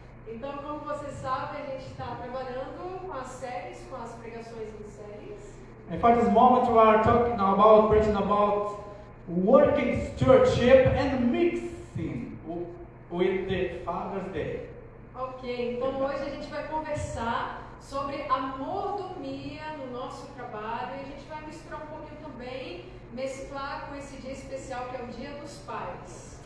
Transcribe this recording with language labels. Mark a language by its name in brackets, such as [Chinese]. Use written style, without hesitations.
[Portuguese] Então, como você sabe, a gente está trabalhando com as séries, com as pregações em séries. [English] And for this moment, we are talking about, preaching about working stewardship and mixing with the Father's Day. [Portuguese] Ok, então hoje a gente vai conversar sobre a mordomia no nosso trabalho e a gente vai misturar um pouquinho também, mesclar com esse dia especial que é o Dia dos Pais.